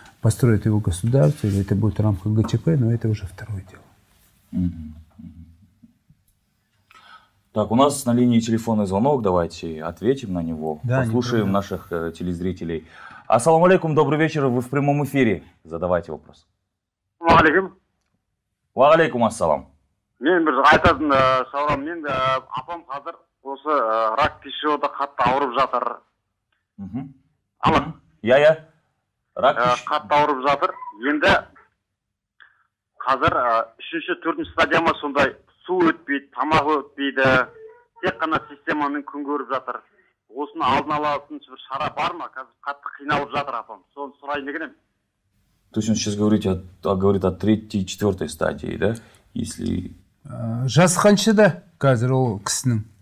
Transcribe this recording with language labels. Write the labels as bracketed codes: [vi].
[ru] Построит его государство, или это будет рамка ГЧП, но это уже второе дело. Так, у нас на линии телефонный звонок, давайте ответим на него, да, послушаем наших телезрителей. Ассаламу алейкум, добрый вечер, вы в прямом эфире, задавайте вопрос. Ва алейкум. Ва алейкум ассалам. [kk] Мен бір айтатын сауалым, мен апам қазір осы рак тишиода қатты ауырып жатыр. Алло. Я. Қатты ауырып жатыр. Енді қазір 3-4 стадия ма сондай су өтпейді, тамақ өтпейді, тек қана системамен күн көріп жатыр. Осыны алдын алатын шара бар ма? Қазір қатты қиналып жатыр апам. Соны сұрайын дегенім. [ru] То есть он сейчас говорит о 3-4 стадии, да? Если [kk] жас қаншада қазір ол кісінің?